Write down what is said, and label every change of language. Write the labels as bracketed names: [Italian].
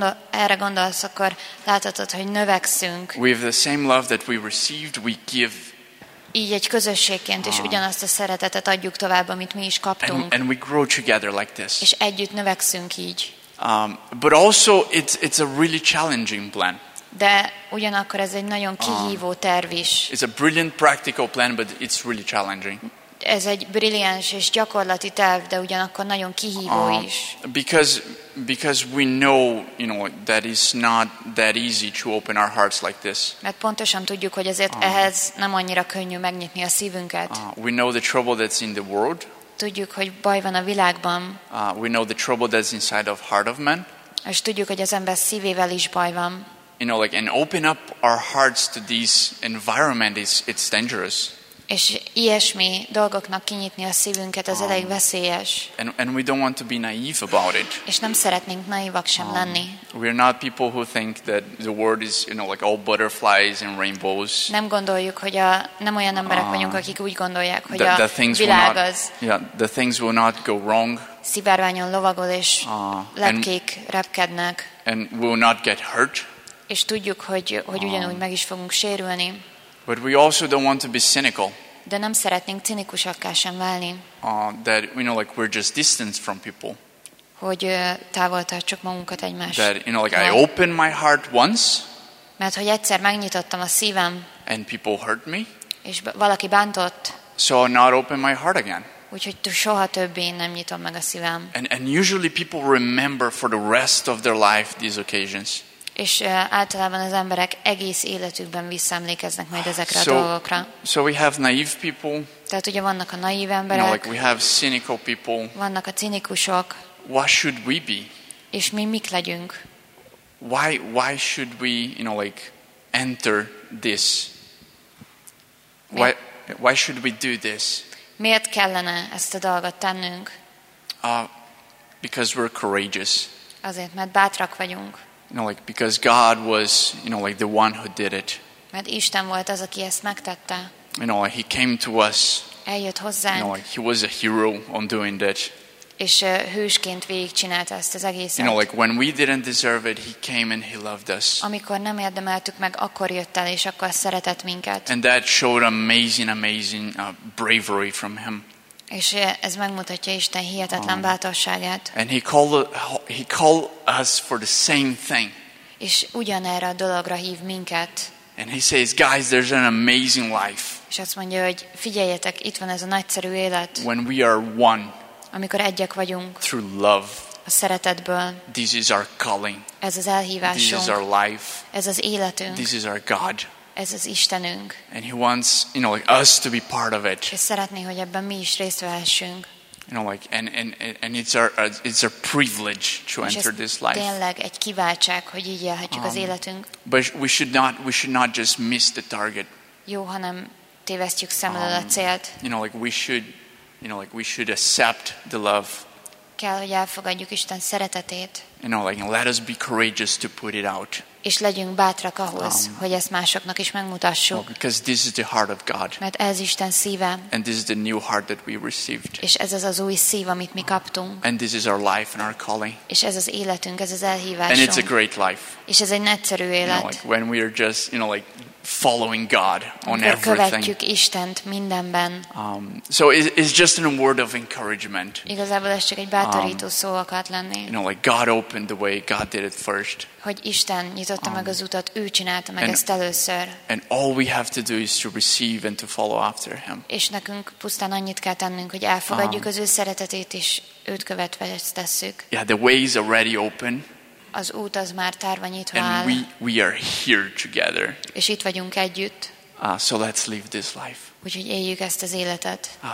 [Hungarian] Erre gondolsz, akkor láthatod, hogy növekszünk. [English] We have the same love that we received, we give. [Hungarian] Így egy közösségként is ugyanazt a szeretetet adjuk tovább, amit mi is kaptunk. [English] And we grow together like this. [Hungarian] És együtt növekszünk így. [English] But also it's a really challenging plan. [Hungarian] De ugyanakkor ez egy nagyon kihívó terv is. [English] It's a brilliant practical plan, but it's really challenging. [Hungarian] Ez egy brilliáns és gyakorlati terv, de ugyanakkor nagyon kihívó is. [English] Because we know, you know, that it's not that easy to open our hearts like this. [Hungarian] Mert pontosan tudjuk, hogy ezért ehhez nem annyira könnyű megnyitni a szívünket. [English] We know the trouble that's in the world. [Hungarian] Tudjuk, hogy baj van a világban. [English] We know the trouble that's inside of heart of man. [Hungarian] És tudjuk, hogy az ember szívével is baj van. [English] You know, like, and open up our hearts to this environment it's dangerous. [Hungarian] És ilyesmi dolgoknak kinyitni a szívünket, az elég veszélyes. [English] And we don't want to be naive about it. [Hungarian] És nem szeretnénk naivak sem lenni. [English] We are not people who think that the world is, you know, like all butterflies and rainbows. [Hungarian] Nem gondoljuk, hogy nem olyan emberek vagyunk, akik úgy gondolják, hogy a világ az. [English] The things will not go wrong. [Hungarian] Szivárványon lovagol és lepkék repkednek. [English] And we will not get hurt. [Hungarian] És tudjuk, hogy ugyanúgy meg is fogunk sérülni. [English] But we also don't want to be cynical. [Hungarian] De nem szeretnénk cinikusakká sem válni. [English] That, you know, like we're just distanced from people. [Hungarian] Hogy távol tartsuk magunkat egymást. [English] That, you know, like I opened my heart once. [Hungarian] Mert hogy egyszer megnyitottam a szívem. [English] And people hurt me. [Hungarian] És valaki bántott. [English] So I'll not open my heart again. [Hungarian] Úgyhogy soha többé nem nyitom meg a szívem. [English] And usually people remember for the rest of their life these occasions. [Hungarian] És általában az emberek egész életükben visszaemlékeznek majd ezekre a dolgokra. [English] So we have naive people. [Hungarian] Tehát ugye vannak a naív emberek. [English] You know, like we have cynical people. [Hungarian] Vannak a cinikusok. [English] What should we be? [Hungarian] És mi mik legyünk? [English] Why should we, you know, like enter this? Why should we do this? [Hungarian] Miért kellene ezt a dolgot tennünk? [English] Because we're courageous. [Hungarian] Azért, mert bátrak vagyunk. [English] You know, like because God was, you know, like the one who did it. [Hungarian] Mert Isten volt az, aki ezt megtette. [English] You know, he came to us. [Hungarian] Eljött hozzánk. [English] You know, like he was a hero on doing that. [Hungarian] És hősként végigcsinálta ezt az egészet. [English] You know, like when we didn't deserve it, he came and he loved us. [Hungarian] Amikor nem érdemeltük meg, akkor jött el, és akkor szeretett minket. [English] And that showed amazing bravery from him. [Hungarian] És ez megmutatja Isten hihetetlen bátorságát. [English] And he called us for the same thing. [Hungarian] És ugyanerre a dologra hív minket. [English] And he says, guys, there's an amazing life. [Hungarian] És azt mondja, hogy figyeljetek, itt van ez a nagyszerű élet. [English] When we are one. [Hungarian] Amikor egyek vagyunk. [English] Through love. [Hungarian] A szeretetből. [English] This is our calling. [Hungarian] Ez az elhívásunk. [English] This is our life. [Hungarian] Ez az életünk. [English] This is our God. [Hungarian] Ez az Istenünk. [English] And he wants, you know, like us to be part of it. [Hungarian] És szeretné, hogy ebben mi is részt vehessünk. [English] You know, like and it's our privilege to enter this life. [Hungarian] Tényleg egy kiváltság, hogy így élhetjük az életünk. [English] But we should not just miss the target. [Hungarian] Jó, hanem tévesztjük szemmel a célt. [English] You know, like we should accept the love. [Hungarian] Kell, hogy elfogadjuk Isten szeretetét. [English] You know, like let us be courageous to put it out. [Hungarian] És legyünk bátrak ahhoz, hogy ezt másoknak is megmutassuk. [English] Well, because this is the heart of God. [Hungarian] Mert ez Isten szíve. [English] And this is the new heart that we received. [Hungarian] És ez az az új szív, amit mi kaptunk. [English] And this is our life and our calling. [Hungarian] És ez az életünk, ez az elhívásunk. [English] And it's a great life. [Hungarian] És ez egy nagyszerű élet. [English] You know, like when we are just, you know, like following God on everything. [Hungarian] Követjük Istent mindenben. [English] So it's just a word of encouragement. [Hungarian] Igazából ez csak egy bátorító szó akart lenni. [English] You know, like God opened the way, God did it first. [Hungarian] Hogy Isten nyitotta meg az utat, ő csinálta meg ezt először. [English] And all we have to do is to receive and to follow after him. [Hungarian] És nekünk pusztán annyit kell tennünk, hogy elfogadjuk az ő szeretetét is, őt követve ezt tesszük. [English] Yeah, the way is already open. [Hungarian] Az út az már tárva nyitva áll. [English] And we are here together. [Hungarian] És itt vagyunk együtt. [English] So let's live this life. [Hungarian] Úgyhogy éljük ezt az életet.